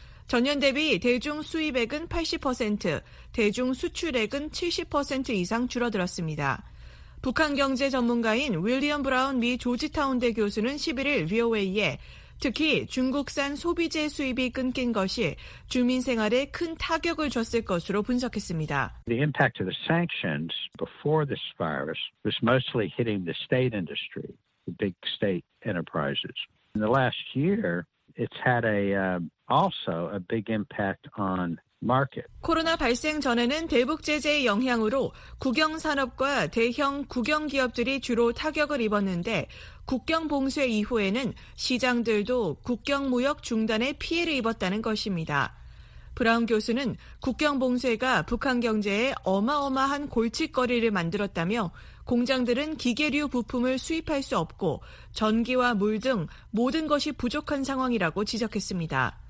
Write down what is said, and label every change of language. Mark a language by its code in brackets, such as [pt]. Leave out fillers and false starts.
[ko] 전년 대비 대중 수입액은 80%, 대중 수출액은 70% 이상 줄어들었습니다. 북한 경제 전문가인 윌리엄 브라운 미 조지타운대 교수는 11일 VOA에 특히 중국산 소비재 수입이 끊긴 것이 주민 생활에 큰 타격을 줬을 것으로 분석했습니다. [en] The impact of the sanctions before this virus was mostly hitting the state industry. big state enterprises. In the last year, it's had a also a big impact on market. [ko] 코로나 발생 전에는 대북 제재의 영향으로 국영 산업과 대형 국영 기업들이 주로 타격을 입었는데 국경 봉쇄 이후에는 시장들도 국경 무역 중단에 피해를 입었다는 것입니다. 브라운 교수는 국경 봉쇄가 북한 경제에 어마어마한 골칫거리를 만들었다며 공장들은 기계류 부품을 수입할 수 없고 전기와 물 등 모든 것이 부족한 상황이라고 지적했습니다.